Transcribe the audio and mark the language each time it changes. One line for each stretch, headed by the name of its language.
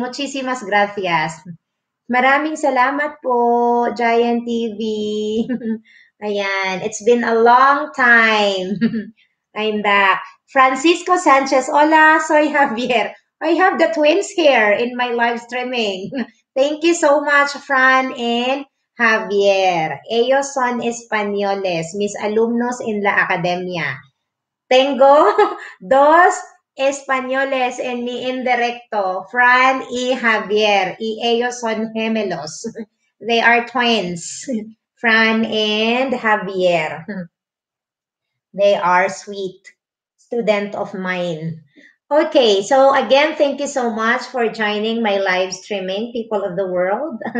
Spanish: Muchísimas gracias.
Filipino: Maraming salamat po, Giant TV.
English: Ayan, it's been a long time. I'm back.
Spanish: Francisco Sanchez, hola, soy Javier.
English: I have the twins here in my live streaming. Thank you so much, Fran and Javier.
Spanish: Ellos son españoles, mis alumnos en la academia. Tengo dos españoles en mi indirecto, Fran y Javier, y ellos son gemelos.
English: They are twins, Fran and Javier. They are sweet student of mine. Okay, so again, thank you so much for joining my live streaming, people of the world.